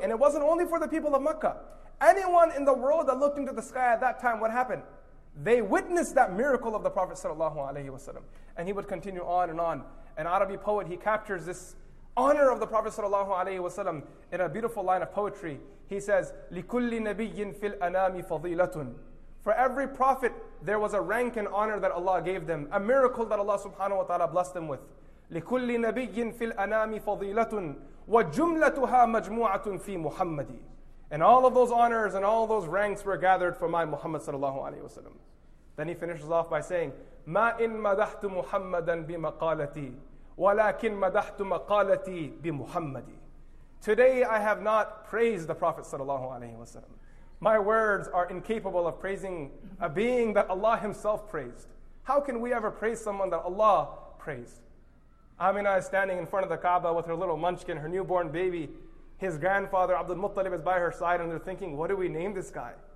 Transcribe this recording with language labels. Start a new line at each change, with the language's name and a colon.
English: And it wasn't only for the people of Mecca. Anyone in the world that looked into the sky at that time, what happened? They witnessed that miracle of the Prophet sallallahu alaihi wasallam. And he would continue on and on. An Arabi poet, he captures this honor of the Prophet sallallahu alaihi wasallam in a beautiful line of poetry. He says,
Arabic: لِكُلِّ نَبِيٍّ فِي الْأَنَامِ فَضِيلَةٌ.
English: For every prophet, there was a rank and honor that Allah gave them, a miracle that Allah subhanahu wa ta'ala blessed them with.
Arabic: لكل نبي في الأنام فضيلة وجملتها مجموعة في محمد.
English: And all of those honors and all of those ranks were gathered for my Muhammad sallallahu alayhi wa sallam. Then he finishes off by saying,
Arabic: ما إن مدحت محمدا بمقالتي ولكن مدحت مقالتي بمحمد.
English: Today I have not praised the Prophet sallallahu alayhi wa sallam. My words are incapable of praising a being that Allah himself praised. How can we ever praise someone that Allah praised? Amina is standing in front of the Kaaba with her little munchkin, her newborn baby. His grandfather, Abdul Muttalib, is by her side, and they're thinking, what do we name this guy?